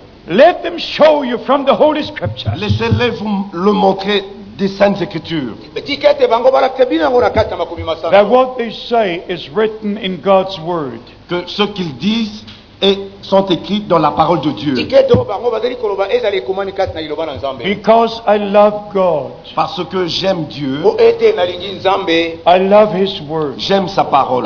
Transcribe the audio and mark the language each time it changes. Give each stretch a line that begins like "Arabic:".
English: Let them show you from the Holy Scripture.
French: Laissez-les vous le montrer des saintes écritures.
English: That what they say is written in God's word.
French: Que ce qu'ils disent est sont écrites dans la parole de Dieu.
English: Because I love God.
French: Parce que j'aime Dieu.
English: I love his word.
French: J'aime sa parole.